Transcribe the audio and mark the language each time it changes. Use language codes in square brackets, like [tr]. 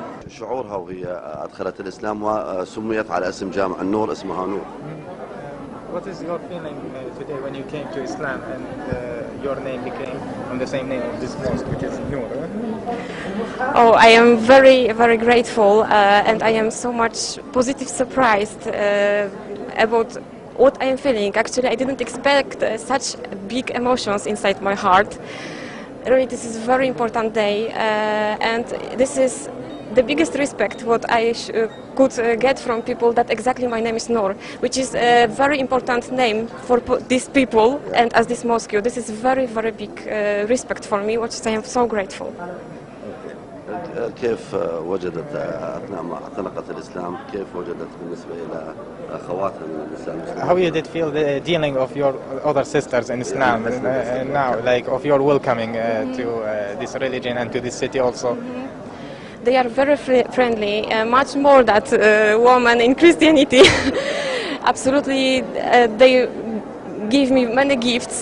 [ar] شعورها وهي أدخلت الإسلام وسميت على اسم جامع النور اسمها نور. [en] What is your feeling today when you came to Islam and your name became on the same name of this mosque, which is Nur? Oh, I am very, very grateful, and I am so much positive surprised about what I am feeling. Actually, I didn't expect such big emotions inside my heart. Really, this is a very important day, and this is the biggest respect what I could get from people, that exactly my name is Nur, which is a very important name for these people and as this mosque. This is very, very big respect for me, which I am so grateful. [ar] كيف وجدت أثناء ما اعتنقت الإسلام كيف وجدت بالنسبة إلى أخواتها من الإسلام؟ [en] How you did feel the dealing of your other sisters in Islam now, like of your welcoming to this religion and to this city also? They are very friendly, much more than women in Christianity. Absolutely, they give me many gifts.